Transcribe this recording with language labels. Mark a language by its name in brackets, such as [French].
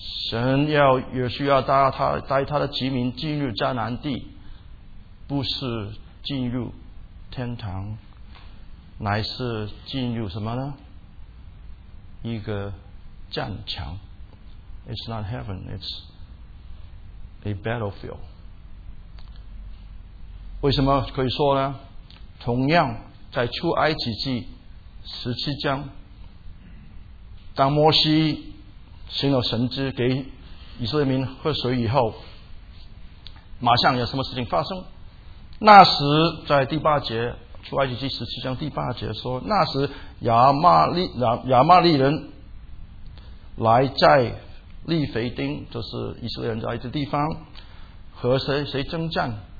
[Chinese] 神要约书亚带他的子民进入迦南地，不是进入天堂，乃是进入什么呢？一个战场。 [English] It's not heaven, it's a battlefield. [Chinese] 为什么可以说呢？同样在出埃及记十七章，当摩西行了神迹给以色列民喝水以后，马上有什么事情发生？那时在第八节，出埃及记十七章第八节说，那时亚玛利人来在利腓丁，就是以色列人在的地方，和谁征战？